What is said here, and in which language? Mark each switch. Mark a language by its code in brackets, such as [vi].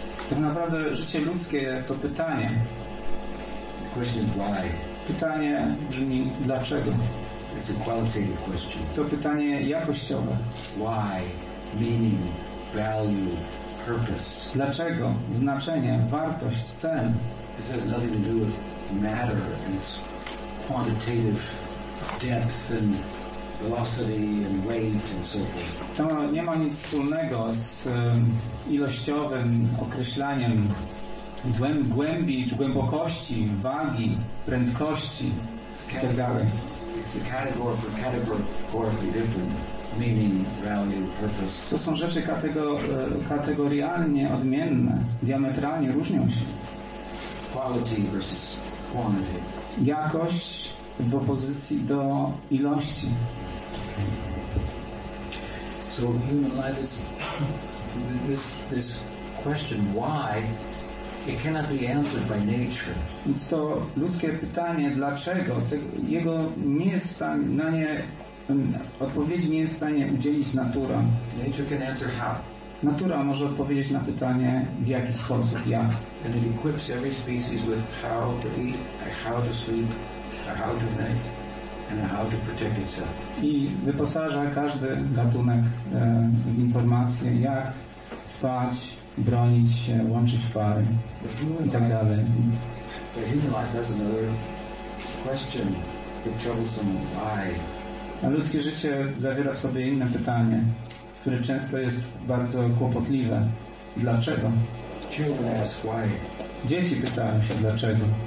[pl] Tak naprawdę życie ludzkie to pytanie. [en] The question is why. [pl] Pytanie brzmi dlaczego. [en] It's a qualitative question. [pl] To pytanie jakościowe. [en] Why, meaning, value, purpose. [pl] Dlaczego, znaczenie, wartość, cel. [en] This has nothing to do with matter and its quantitative depth and velocity and weight and so forth. [pl] To nie ma nic wspólnego z ilościowym określaniem głębi czy głębokości, wagi, prędkości. [en] It's a categorically different meaning, value, purpose. [pl] To są rzeczy kategorialnie odmienne, diametralnie różnią się. [en] Quality versus quantity. [pl] Jakość w opozycji do ilości. [en] So human life is this question why it cannot be answered by nature. [pl] Więc to ludzkie pytanie dlaczego jego nie jest stanie, na nie odpowiedzi nie jest w stanie udzielić natura. [en] Nature can answer how. [pl] Natura może odpowiedzieć na pytanie w jaki sposób, jak. [en] And it equips every species with how to eat, how to sleep, how to mate, and how to protect itself. [pl] I wyposaża każdy gatunek w informacje, jak spać, bronić się, łączyć pary i tak dalej. [en] But human life has another question, the troublesome why. [pl] A ludzkie życie zawiera w sobie inne pytanie, które często jest bardzo kłopotliwe. Dlaczego? [en] Children ask why. [pl] Dzieci pytają się dlaczego.